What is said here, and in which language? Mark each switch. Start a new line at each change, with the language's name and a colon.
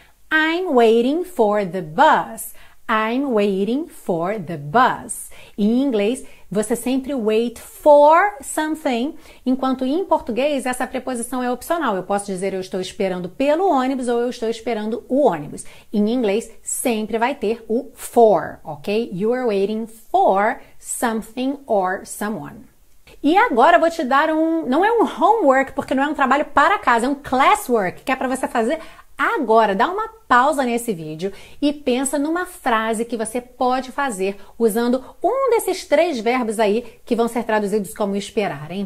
English: I'm waiting for the bus. I'm waiting for the bus.
Portuguese: Em inglês, você sempre
English: wait for something,
Portuguese: enquanto em português essa preposição é opcional. Eu posso dizer eu estou esperando pelo ônibus ou eu estou esperando o ônibus. Em inglês, sempre vai ter o for, ok?
English: You are waiting for something or someone.
Portuguese: E agora eu vou te dar não é um homework, porque não é um trabalho para casa, é um classwork, que é para você fazer agora. Dá uma pausa nesse vídeo e pensa numa frase que você pode fazer usando um desses três verbos aí que vão ser traduzidos como esperar, hein?